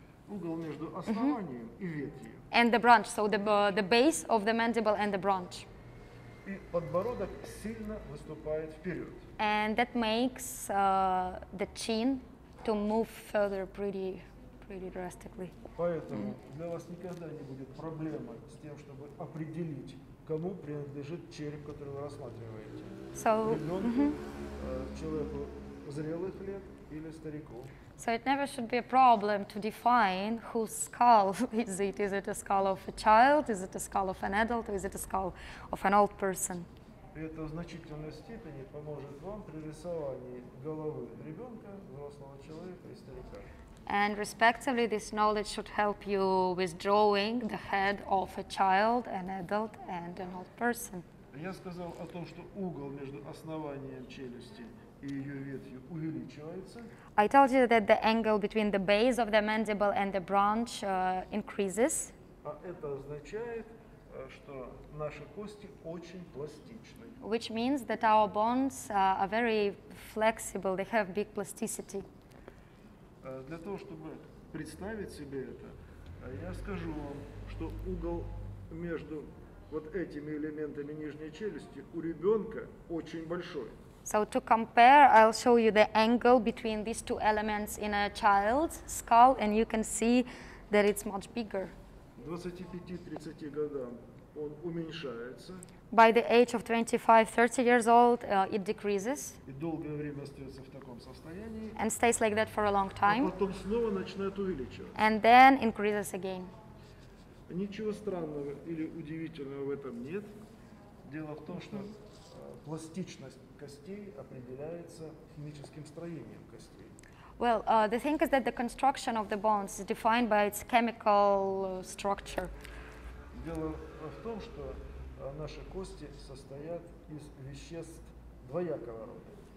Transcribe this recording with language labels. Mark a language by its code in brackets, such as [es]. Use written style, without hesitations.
[ru] Угол между основанием и ветвью. [en] And the branch, so the base of the mandible and the branch. [ru] И подбородок сильно выступает вперед. [en] And that makes the chin to move further pretty drastically. [ru] Поэтому для вас никогда не будет проблемы с тем, чтобы определить, кому принадлежит череп, который вы рассматриваете. [en] So, [ru] человеку зрелых лет или старику. [en] So it never should be a problem to define whose skull is it. Is it a skull of a child? Is it a skull of an adult? Or is it a skull of an old person? [ru] Это в значительной степени поможет вам при рисовании головы ребенка, взрослого человека и старика. [en] And respectively, this knowledge should help you with drawing the head of a child, an adult, and an old person. [ru] Я сказал о том, что угол между основанием челюсти и ее ветвью увеличивается. [en] I told you that the angle between the base of the mandible and the branch increases. [ru] А это означает, что наши кости очень пластичны. [en] Which means that our bones are very flexible, they have big plasticity. [ru] Для того, чтобы представить себе это, я скажу вам, что угол между вот этими элементами нижней челюсти у ребенка очень большой. [en] So to compare, I'll show you the angle between these two elements in a child's skull, and you can see that it's much bigger. [ru] 25-30 годам он уменьшается. [en] By the age of 25-30 years old, it decreases. [ru] И долгое время остается в таком состоянии. [en] And stays like that for a long time. [ru] А потом снова начинает увеличиваться. [en] And then increases again. [ru] Ничего странного или удивительного в этом нет. Дело в том, что пластичность костей определяется химическим строением костей. [en] Well, the thing is that the construction of the bones is defined by its chemical structure. [ru] Дело в том, что наши кости состоят из веществ двоякого рода.